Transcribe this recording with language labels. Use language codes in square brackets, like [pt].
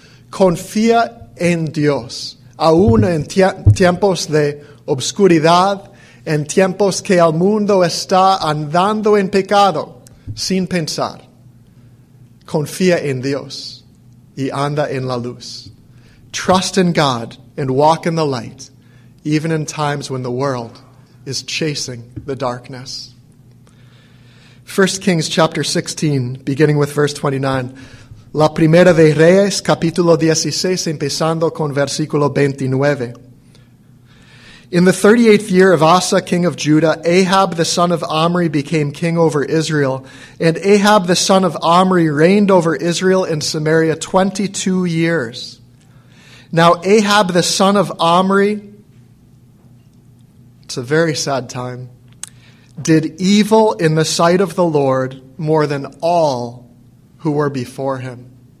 [es] Confía en Dios, aun en tiempos de obscuridad, en tiempos que el mundo está andando en pecado, sin pensar. Confía en Dios y anda en la luz. [en] Trust in God and walk in the light, even in times when the world is chasing the darkness. 1 Kings chapter 16, beginning with verse 29. [es] La primera de Reyes, capítulo 16, empezando con versículo 29. [en] In the 38th year of Asa, king of Judah, Ahab the son of Omri became king over Israel, and Ahab the son of Omri reigned over Israel and Samaria 22 years. Now Ahab the son of Omri, it's a very sad time, did evil in the sight of the Lord more than all who were before him.